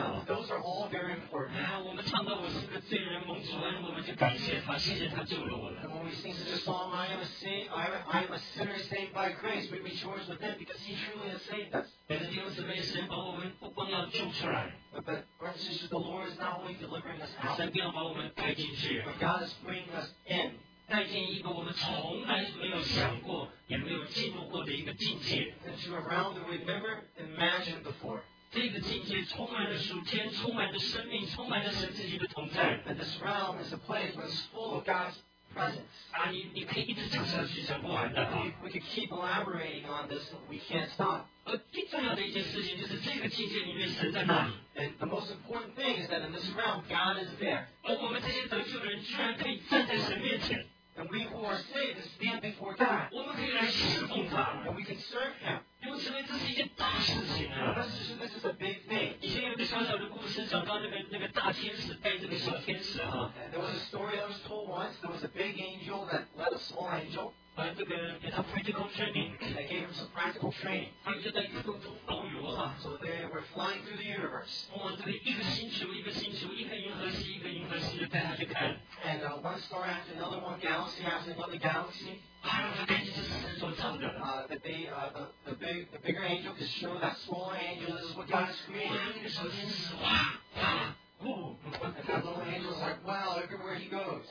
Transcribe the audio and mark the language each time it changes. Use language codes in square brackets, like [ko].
[en] To bring us out of those things. Those are all very important. And when we sing such a song, I am a sinner saved by grace, we rejoice with it because He truly has saved us. But brothers, the Lord is not only delivering us out, but God is bringing us in. [zh] 带进一个我们从来没有想过也没有进入过的一个境界 [en] into a realm that we've never imagined before. [zh] 这个境界充满了属天充满了生命充满了神自己的同在 [en] And this realm is a place that is full of God's presence. [zh] 你可以一直讲下去讲不完的 [en] We can keep elaborating on this and we can't stop. [zh] 最重要的一件事情就是这个境界里面神在哪里 [en] And the most important thing is that in this realm, God is there. [zh] 而我们这些得救的人居然可以站在神面前 [en] And we who are saved stand before God. [zh] 我们可以来侍奉他 [en] And we can serve Him. [zh] 因为这边这是一件大事情啊 [en] This is a big thing. [zh] 以前有个小小的故事讲到那个大天使带这个小天使啊 [en] There was a story that was told once. There was a big angel that led a small angel. [zh] 给他 [en] practical training. They gave him some practical training. [zh] 他们就在空中遨游啊。 [en] So they were flying through the universe. [zh] 哇，这个一个星球一个星球，一个银河系一个银河系的带他去看。 [en] And one star after another, one galaxy after another galaxy. [zh] 啊，他赶紧就伸手唱着。 [en] The bigger angel could show that smaller angel this is what God has created. [zh] 那个小天使哇。 [en] And the little angel is like, wow, everywhere he goes.